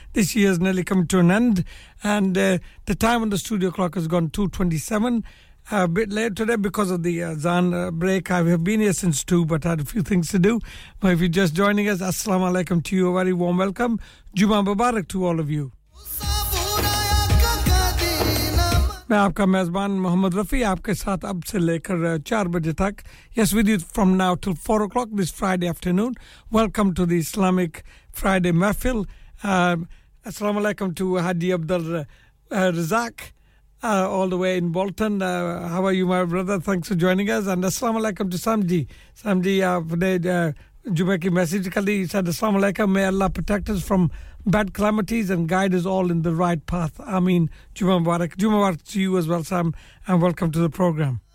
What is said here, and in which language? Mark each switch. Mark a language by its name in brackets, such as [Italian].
[English] This year's nearly come to an end. And the time on the studio clock has gone 2:27. A bit late today because of the Azan break. I have been here since 2, but I had a few things to do. But if you're just joining us, Assalamu alaikum to you. A very warm welcome. Juma Mubarak to all of you. [Hindi] मैं आपका मेजबान मोहम्मद रफी आपके साथ अब से लेकर 4 बजे तक [English] yes with you from now till 4 o'clock this Friday afternoon welcome to the Islamic Friday महफिल अस्सलाम वालेकुम to Haji Abdul Razak all the way in Bolton how are you my brother thanks for joining us and अस्सलाम वालेकुम to समजी समजी [Hindi] आपने जुमे की message कर ली [English] Sir अस्सलाम वालेकुम may Allah protect us from bad calamities and guide us all in the right path. Ameen. Juma Mubarak. Juma Mubarak to you as well, Sam, and welcome to the program.